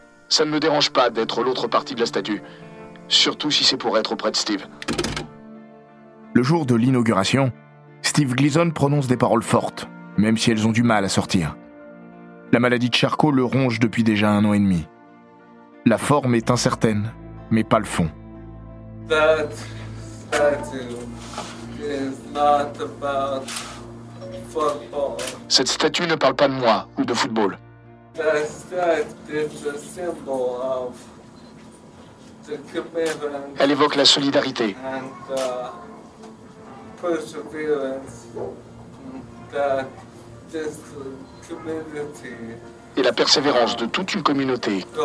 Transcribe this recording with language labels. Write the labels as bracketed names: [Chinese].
[French] Ça ne me dérange pas d'être l'autre partie de la statue, surtout si c'est pour être auprès de Steve. » Le jour de l'inauguration, Steve Gleason prononce des paroles fortes, même si elles ont du mal à sortir. La maladie de Charcot le ronge depuis déjà un an et demi. La forme est incertaine, mais pas le fond. [English] That statue is not about football. [French] Cette statue ne parle pas de moi ou de football. [English] That statue is a symbol of the commitment. [French] Elle évoque la solidarité. [English] And the perseverance that this community. [French] Et la persévérance de toute une communauté.